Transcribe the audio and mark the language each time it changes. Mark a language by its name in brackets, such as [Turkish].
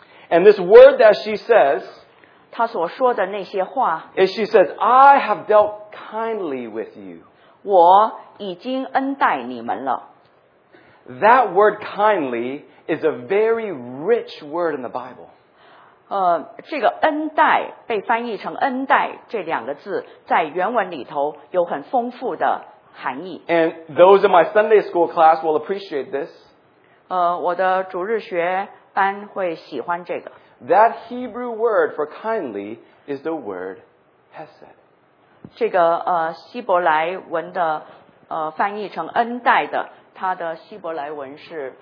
[English] And this word that she says, [Chinese] 他所说的那些话 [English] And she says, I have dealt kindly with you. [Chinese] 我已经恩待你们了。 [English] That word kindly is a very rich word in the Bible. [Chinese] 这个恩待被翻译成恩待这两个字在原文里头有很丰富的含义。 [English] And those in my Sunday school class will appreciate this. [Chinese] 我的主日学班会喜欢这个。 [English] That Hebrew word for kindly is the word hesed. [Chinese] 这个希伯来文的翻译成恩待的，它的希伯来文是